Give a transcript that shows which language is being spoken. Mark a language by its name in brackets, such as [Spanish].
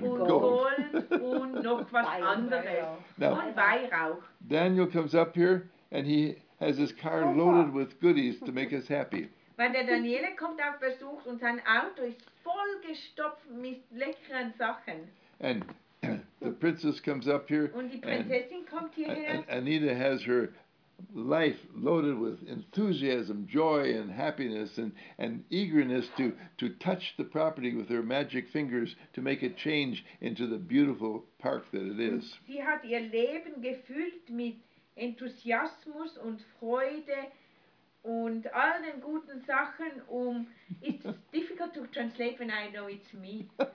[German] und gold und noch was Weihrauch. Anderes. [English] Now, [German] und Weihrauch. [English] Daniel comes up here and he has his car loaded with goodies to make us happy. [German] Weil der Daniele kommt auf Besuch und sein Auto ist vollgestopft mit leckeren Sachen. [English] And the princess comes up here. [German] Und die Prinzessin kommt hierher. [English] Anita has her life loaded with enthusiasm, joy and happiness and eagerness to touch the property with her magic fingers to make a change into the beautiful park that it is. [German] Und sie hat ihr Leben gefüllt mit Enthusiasmus und Freude und all den guten Sachen [English] it's difficult to translate when I know it's me.